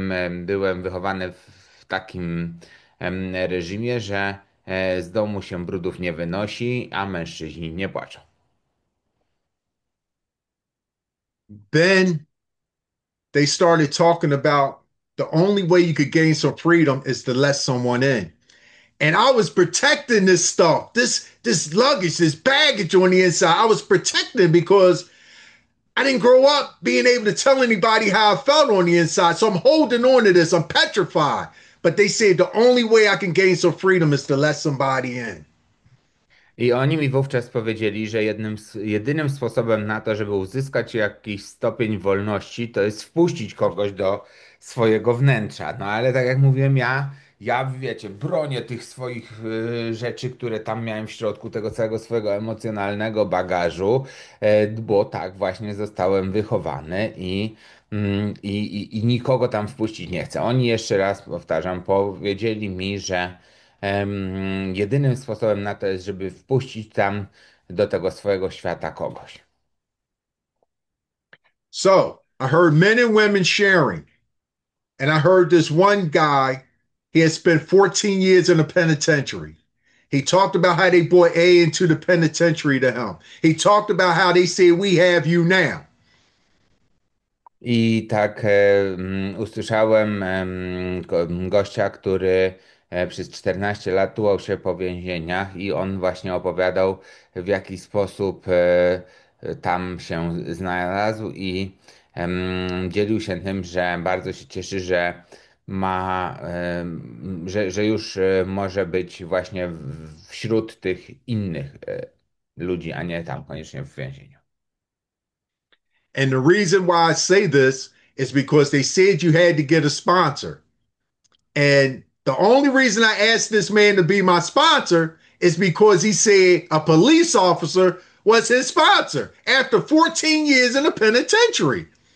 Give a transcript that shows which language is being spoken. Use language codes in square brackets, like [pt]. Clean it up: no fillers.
[pl] Byłem wychowany w takim reżimie, że z domu się brudów nie wynosi, a mężczyźni nie płaczą. [en] Then they started talking about the only way you could gain some freedom is to let someone in. And I was protecting this stuff, this luggage, this baggage on the inside. I was protecting because I didn't grow up being able to tell anybody how I felt on the inside. So I'm holding on to this. I'm petrified. But they said the only way I can gain some freedom is to let somebody in. [pl] I oni mi wówczas powiedzieli, że jedynym sposobem na to, żeby uzyskać jakiś stopień wolności, to jest wpuścić kogoś do swojego wnętrza. No ale tak jak mówiłem, ja wiecie, bronię tych swoich rzeczy, które tam miałem w środku, tego całego swojego emocjonalnego bagażu, bo tak właśnie zostałem wychowany i I nikogo tam wpuścić nie chcę. Oni, jeszcze raz powtarzam, powiedzieli mi, że jedynym sposobem na to jest, żeby wpuścić tam do tego swojego świata kogoś. [en] So, I heard men and women sharing, and I heard this one guy, he had spent 14 years in a penitentiary. He talked about how they brought A into the penitentiary to him. He talked about how they said, "We have you now." [pl] I tak usłyszałem gościa, który przez 14 lat tułał się po więzieniach, i on właśnie opowiadał, w jaki sposób tam się znalazł, i dzielił się tym, że bardzo się cieszy, że ma, że już może być właśnie wśród tych innych ludzi, a nie tam koniecznie w więzieniu. [en] And the reason why I say this is because they said you had to get a sponsor. And the only reason I asked this man to be my sponsor is because he said a police officer was his sponsor after 14 years in the penitentiary.